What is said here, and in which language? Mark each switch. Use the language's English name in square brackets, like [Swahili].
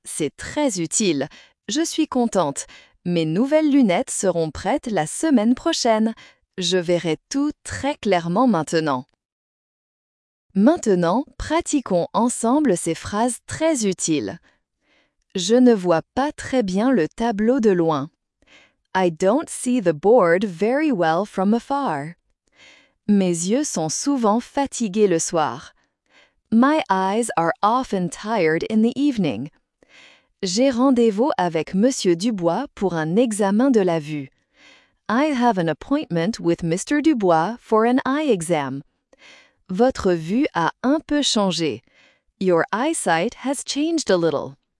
[French] C'est très utile. Je suis contente. Mes nouvelles lunettes seront prêtes la semaine prochaine. Je verrai tout très clairement maintenant. Maintenant, pratiquons ensemble ces phrases très utiles. Je ne vois pas très bien le tableau de loin. [English] I don't see the board very well from afar. [French] Mes yeux sont souvent fatigués le soir. [English] My eyes are often tired in the evening. [French] J'ai rendez-vous avec Monsieur Dubois pour un examen de la vue. [English] I have an appointment with Mr. Dubois for an eye exam. [French] Votre vue a un peu changé. [English] Your eyesight has changed a little.